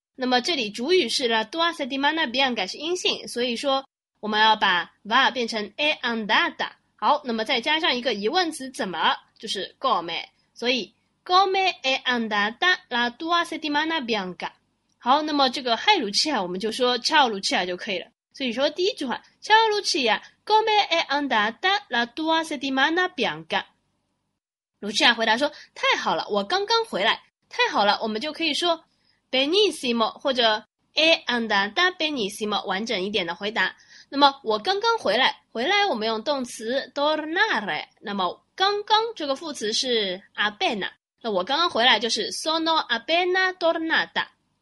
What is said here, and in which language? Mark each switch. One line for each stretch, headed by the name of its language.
Chinese: 那么这里主语是
Italian: la tua settimana bianca
Chinese: 是阴性，所以说我们要把 va 变成
Italian: è andata。
Chinese: 好，那么再加上一个疑问词怎么，就是 come， 所以
Italian: come è andata la tua settimana bianca。
Chinese: 好，那么这个 Hi Lucia 我们就说 Ciao Lucia 就可以了。所以说第一句话
Italian: Ciao Lucia come è andata la tua settimana bianca。
Chinese: Lucia 回答说，太好了，我刚刚回来。太好了，我们就可以说 benissimo， 或者
Italian: è andata benissimo，
Chinese: 完整一点的回答。那么我刚刚回来，回来我们用动词 tornare， 那么刚刚这个副词是 appena， 那我刚刚回来就是
Italian: sono appena tornata。